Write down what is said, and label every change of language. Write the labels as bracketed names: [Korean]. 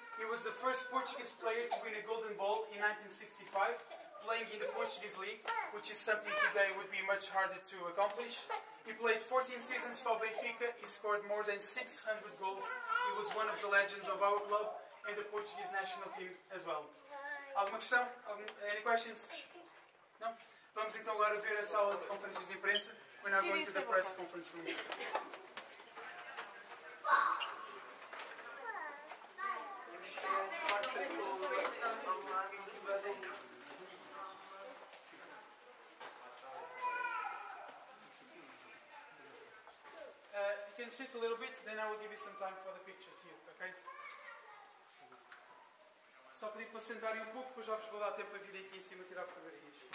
[English] He was the first Portuguese player to win a Golden Ball in 1965, playing in the Portuguese League, which is something today would be much harder to accomplish. He played 14 seasons for Benfica. He scored more than 600 goals. He was one of the legends of our club and the Portuguese national team as well. [Portuguese] Alguma questão? [English] Any questions? [Portuguese] Não? Vamos então agora ver a sala de conferências de imprensa. [English] We're now going to the press conference room. You can sit a little bit, then I will give you some time for the pictures here, okay? [Portuguese] Só pedi para sentarem um pouco, depois já vos vou dar tempo para vir aqui em cima tirar fotografias.